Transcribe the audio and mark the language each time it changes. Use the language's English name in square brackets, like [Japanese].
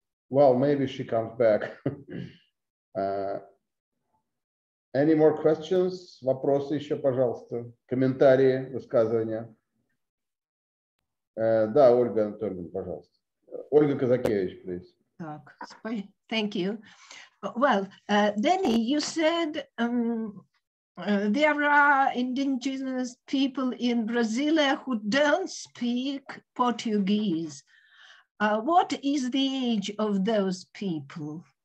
[English] Well, maybe she comes back. Any more questions? [Russian] Вопросы еще, пожалуйста. Комментарии, высказывания. Да, Ольга Анатольевна, пожалуйста. Ольга Казакевич, [English] please. Thank you. Well, Denny, you said there are indigenous people in Brasilia who don't speak Portuguese. What is the age of those people?